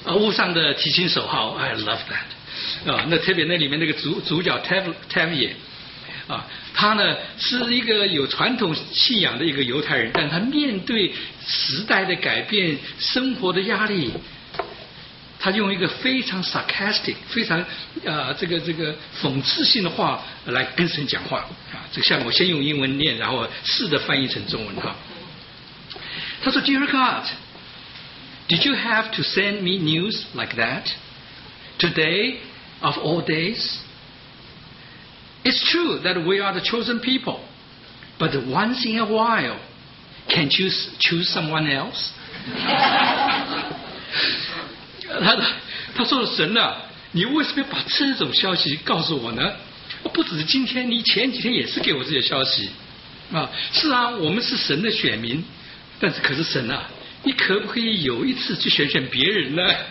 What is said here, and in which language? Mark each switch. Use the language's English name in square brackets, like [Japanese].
[Chinese] 屋上的提琴手哈 ， [English] I love that [Chinese] 啊，那特别那里面那个主角 Tavia 啊，他呢是一个有传统信仰的一个犹太人，但他面对时代的改变、生活的压力。他用一个非常 sarcastic 非常这个讽刺性的话来跟神讲话啊，这个下面我先用英文念，然后试着翻译成中文哈。他说 [English] Dear God, did you have to send me news like that? Today of all days? It's true that we are the chosen people, but once in a while, can't you choose someone else? [Chinese] 他说神啊，你为什么把这种消息告诉我呢？不只是今天，你前几天也是给我这些消息啊。是啊，我们是神的选民，但是可是神啊，你可不可以有一次去选选别人呢？